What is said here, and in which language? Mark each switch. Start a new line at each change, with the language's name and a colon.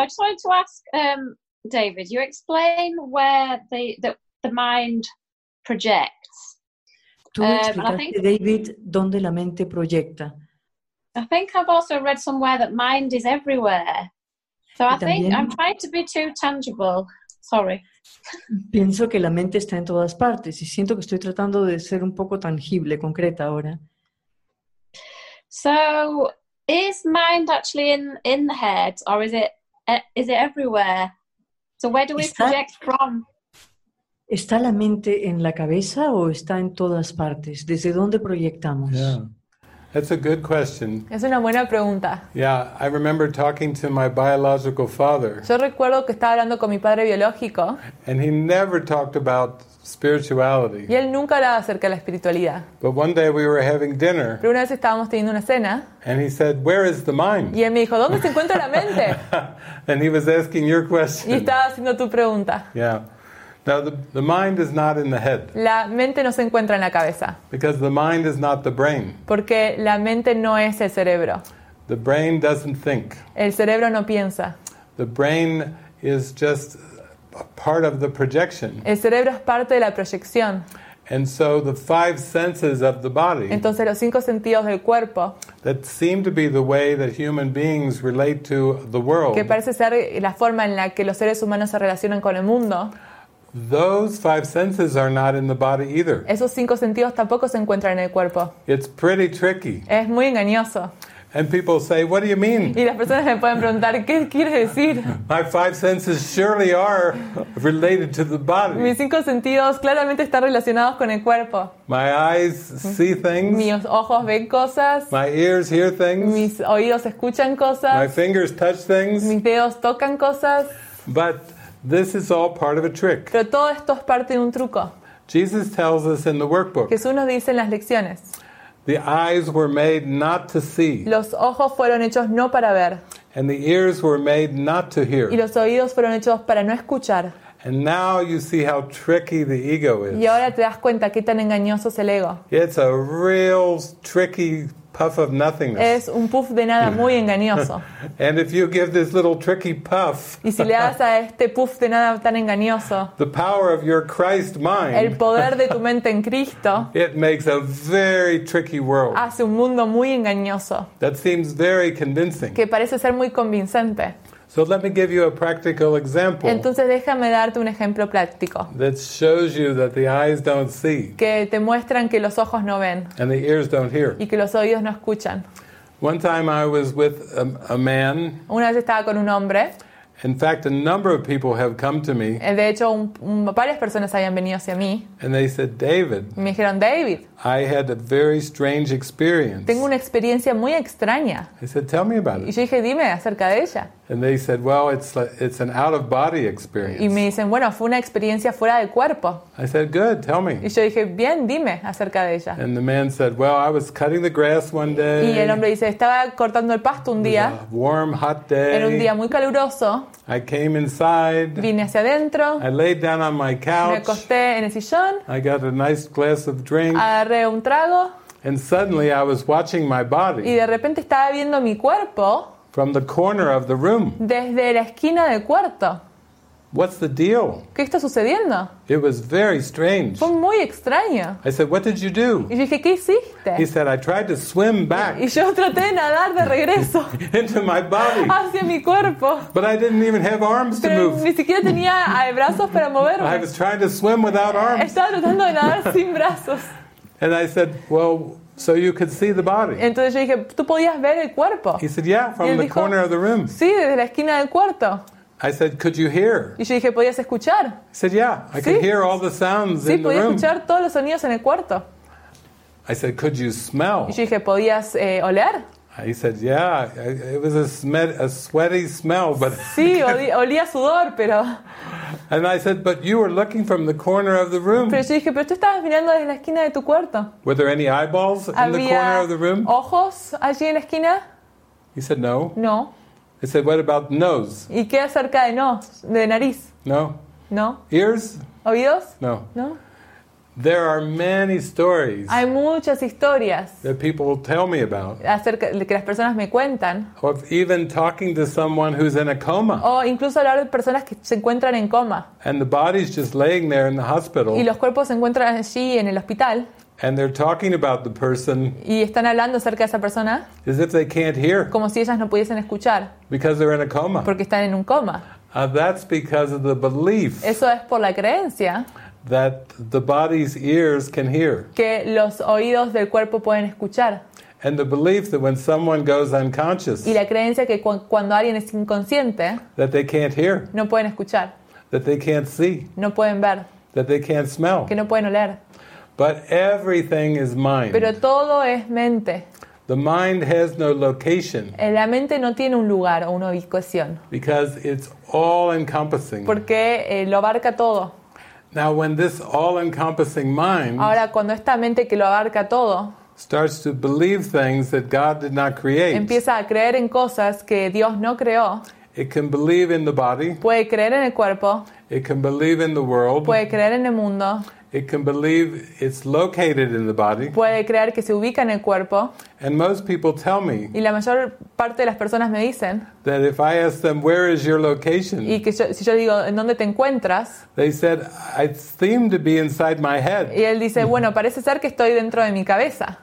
English: I just wanted to ask, David, you explain where the mind projects.
Spanish: Tú explicaste, David, donde la mente proyecta.
English: I think I've also read somewhere that mind is everywhere. So I think I'm trying to be too tangible. Sorry.
Spanish: Pienso que la mente está en todas partes y siento que estoy tratando de ser un poco tangible, concreta ahora.
English: So is mind actually in the head or is it everywhere? So where do we project from?
Spanish: ¿Está la mente en la cabeza o está en todas partes? ¿Desde dónde proyectamos?
English: Yeah. That's a good question.
Spanish: Es una buena pregunta.
English: Yeah, I remember talking to my biological father.
Spanish: Yo recuerdo que estaba hablando con mi padre biológico.
English: And he never talked about spirituality.
Spanish: Y él nunca hablaba acerca de la espiritualidad.
English: But one day we were having dinner.
Spanish: Pero una vez estábamos teniendo una cena.
English: And he said, "Where is the mind?"
Spanish: Y él me dijo, "¿Dónde se encuentra la mente?"
English: And he was asking your question.
Spanish: Y estaba haciendo tu pregunta.
English: Yeah. Now the mind is not in the head.
Spanish: La mente no se encuentra en la cabeza.
English: Because the mind is not the brain.
Spanish: Porque la mente no es el cerebro.
English: The brain doesn't think.
Spanish: El cerebro no piensa.
English: The brain is just a part of the projection.
Spanish: El cerebro es parte de la proyección.
English: And so the 5 senses of the body.
Spanish: Entonces los 5 sentidos del cuerpo.
English: That seem to be the way that human beings relate to the world.
Spanish: Que parece ser la forma en la que los seres humanos se relacionan con el mundo.
English: Those 5 senses are not in the body either.
Spanish: Esos 5 sentidos tampoco se encuentran en el cuerpo.
English: It's pretty tricky.
Spanish: Es muy engañoso.
English: And people say, "What do you mean?"
Spanish: Y las personas me pueden preguntar, ¿qué quieres decir?
English: My 5 senses surely are related to the body.
Spanish: Mis 5 sentidos claramente están relacionados con el cuerpo.
English: My eyes see things.
Spanish: Mis ojos ven cosas.
English: My ears hear things.
Spanish: Mis oídos escuchan cosas.
English: My fingers touch things.
Spanish: Mis dedos tocan cosas.
English: But this is all part of a trick.
Spanish: Pero todo esto es parte de un truco.
English: Jesus tells us in the workbook.
Spanish: Jesús nos dice en las lecciones.
English: The eyes were made not to see.
Spanish: Los ojos fueron hechos no para ver.
English: And the ears were made not to hear.
Spanish: Y los oídos fueron hechos para no escuchar.
English: And now you see how tricky the ego is.
Spanish: Y ahora te das cuenta qué tan engañoso es el ego.
English: It's a real tricky puff of nothingness.
Spanish: Es un puff de nada muy engañoso.
English: And if you give this little tricky puff,
Spanish: y si le das a este puff de nada tan engañoso,
English: the power of your Christ mind,
Spanish: el poder de tu mente en Cristo,
English: it makes a very tricky world.
Spanish: Hace un mundo muy engañoso.
English: That seems very convincing.
Spanish: Que parece ser muy convincente.
English: So let me give you a practical example.
Spanish: Entonces déjame darte un ejemplo práctico.
English: That shows you that the eyes don't see.
Spanish: Que te muestran que los ojos no ven.
English: And the ears don't hear.
Spanish: Y que los oídos no escuchan.
English: One time I was with a man.
Spanish: Una vez estaba con un hombre.
English: In fact, a number of people have come to me.
Spanish: De hecho, varias personas habían venido hacia mí.
English: And they said, David.
Spanish: Y me dijeron, David.
English: I had a very strange experience.
Spanish: Tengo una experiencia muy extraña.
English: I said, tell me about it.
Spanish: Y yo dije, dime acerca de ella.
English: And they said, well, it's an out-of-body experience.
Spanish: Y me dicen, bueno, fue una experiencia fuera de cuerpo.
English: I said, good, tell me.
Spanish: Y yo dije, bien, dime acerca de ella.
English: And the man said, well, I was cutting the grass one day.
Spanish: Y el hombre dice, estaba cortando el pasto un día.
English: A warm, hot day.
Spanish: Era un día muy caluroso.
English: I came inside.
Spanish: Vine hacia adentro.
English: I laid down on my couch.
Spanish: Me acosté en el sillón.
English: I got a nice glass of drink.
Spanish: Agarré un trago.
English: And suddenly I was watching my body.
Spanish: Y de repente estaba viendo mi cuerpo.
English: From the corner of the room.
Spanish: Desde la esquina del cuarto.
English: What's the deal?
Spanish: ¿Qué está sucediendo?
English: It was very strange.
Spanish: Fue muy extraño.
English: I said, what did you do?
Spanish: Y dije, ¿qué hiciste?
English: He said, I tried to swim back.
Spanish: Y yo traté de nadar de regreso.
English: Into my body.
Spanish: Hacia mi cuerpo.
English: But I didn't even have arms
Spanish: pero
English: to move.
Spanish: Ni siquiera tenía brazos para moverme.
English: I was trying to swim without arms.
Spanish: Estaba tratando de nadar sin brazos.
English: And I said, well, so you could see the body.
Spanish: Entonces yo dije, ¿tú podías ver el cuerpo?
English: He said, yeah, from the
Spanish: dijo,
English: corner of the room.
Spanish: Sí, desde la esquina del cuarto.
English: I said, could you hear?
Spanish: Y yo dije, ¿podías escuchar?
English: He said, yeah, I
Spanish: sí.
English: could hear all the sounds
Spanish: sí,
English: in the room.
Spanish: Sí, podía escuchar todos los sonidos en el cuarto.
English: I said, could you smell?
Spanish: Y yo dije, ¿podías oler?
English: He said, yeah, it was a sweaty smell, but...
Spanish: Sí, olía sudor, pero...
English: And I said, but you were looking from the corner of the room.
Spanish: Pero yo dije, pero tú estabas mirando desde la esquina de tu cuarto.
English: Were there any eyeballs in the corner of the room?
Spanish: ¿Había ojos allí en la esquina?
English: He said, no.
Spanish: No.
English: I said, what about nose?
Spanish: ¿Y qué acerca de nose, de nariz?
English: No.
Spanish: No.
English: Ears?
Spanish: ¿Oídos?
English: No.
Spanish: No.
English: There are many stories.
Spanish: Hay muchas historias.
English: That people tell me about.
Spanish: Acerca de que las personas me cuentan.
English: Or even talking to someone who's in a coma.
Spanish: O incluso hablar de personas que se encuentran en coma.
English: And the body's just laying there in the hospital.
Spanish: Y los cuerpos se encuentran allí en el hospital.
English: And they're talking about the person.
Spanish: Y están hablando acerca de esa persona.
English: As if they can't hear.
Spanish: Como si ellas no pudiesen escuchar.
English: Because they're in a coma.
Spanish: Porque están en un coma.
English: That's because of the belief.
Spanish: Eso es por la creencia.
English: That the body's ears can hear.
Spanish: Que los oídos del cuerpo pueden escuchar.
English: And the belief that when someone goes unconscious.
Spanish: Y la creencia que cuando alguien es inconsciente.
English: That they can't hear.
Spanish: No pueden escuchar.
English: That they can't see.
Spanish: No pueden ver.
English: That they can't smell.
Spanish: Que no pueden oler.
English: But everything is mind.
Spanish: Pero todo es mente.
English: The mind has no location.
Spanish: La mente no tiene un lugar o una ubicación.
English: Because it's all encompassing.
Spanish: Porque lo abarca todo.
English: Now when this all-encompassing mind
Spanish: ahora, cuando esta mente que lo abarca todo,
English: starts to believe things that God did not create,
Spanish: empieza a creer en cosas que Dios no creó,
English: it can believe in the body,
Spanish: puede creer en el cuerpo,
English: it can believe in the world,
Spanish: puede creer en el mundo,
English: it can believe it's located in the body,
Spanish: puede creer que se ubica en el cuerpo,
English: and most people tell me,
Spanish: y la mayor parte de las personas me dicen,
English: that if I ask them, where is your location?
Spanish: Y que yo, si yo digo, ¿en dónde te encuentras?
English: They said, I seem to be inside my head.
Spanish: Y él dice, bueno, parece ser que estoy dentro de mi cabeza.